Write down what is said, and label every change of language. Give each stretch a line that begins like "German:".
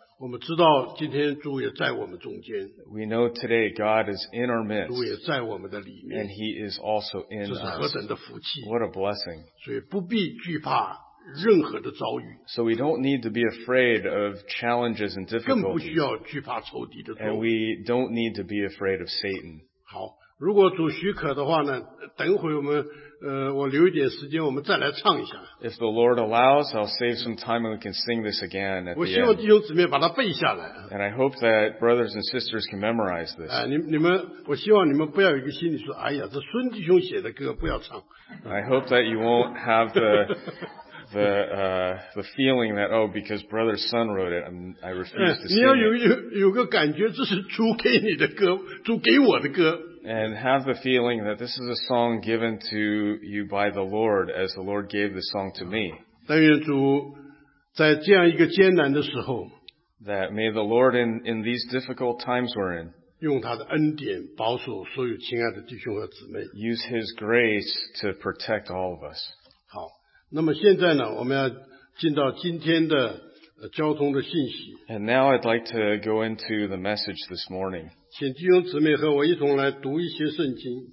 English: We know today God is in our midst.
Chinese: 主也在我们的里面,
English: and He is also in
Chinese: 这是何等的福气,
English: us. What a blessing.
Chinese: 所以不必惧怕任何的遭遇,
English: so we don't need to be afraid of challenges and difficulties. And we don't need to be afraid of Satan.
Chinese: 好, 如果主许可的话呢, 等会我们, 我留一点时间, 我们再来唱一下,
English: if the Lord allows, I'll save some time and we can sing this again at the end.
Chinese: 我希望弟兄姊妹把它背下来,
English: and I hope that brothers and sisters can memorize this.
Chinese: 你们, 我希望你们不要有一个心里说, 哎呀,这孙弟兄写的歌, 不要唱,
English: I hope that you won't have the feeling that, oh, because Brother Sun wrote it, I refuse to sing
Chinese: 你要有个感觉, 这是主给你的歌, 主给我的歌,
English: and have the feeling that this is a song given to you by the Lord, as the Lord gave this song to me.
Chinese: 但愿主在这样一个艰难的时候,
English: that may the Lord in these difficult times we're in,
Chinese: 用他的恩典保守所有亲爱的弟兄和姊妹,
English: use His grace to protect all of us.
Chinese: 好, 那么现在呢, 我们要进到今天的, 交通的信息,
English: and now I'd like to go into the message this morning.
Chinese: 请弟兄姊妹和我一同来读一些圣经,